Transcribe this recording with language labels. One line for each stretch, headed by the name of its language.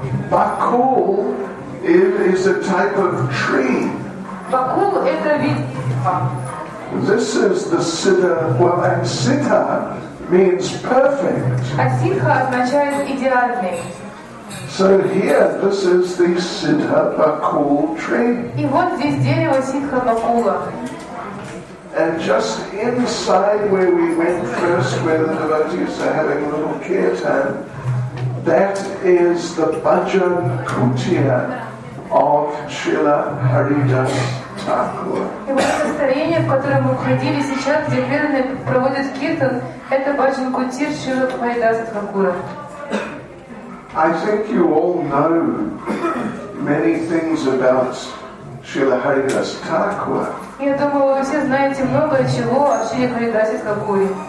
English: Баку is a type of tree.
Russian: Баку это вид.
English: This is the Siddha. Well, and Siddha means perfect.
Russian: А Сиддха означает идеальный.
English: So here, this is the Сиддха-баку tree.
Russian: И вот здесь дерево Сиддха-бакула.
English: And just inside where we went first, where the devotees are having a little kirtan, that is the bhajan kutia of Srila Haridas Thakur.
Russian: И вот состояние, в котором мы входили сейчас, где преданные проводят киртан, это бхаджан кутир Шрила Харидас Такура.
English: I think you all know many things about Srila Haridas Thakur.
Russian: Я думаю, вы все знаете много чего о Шри Харидасе Такуре.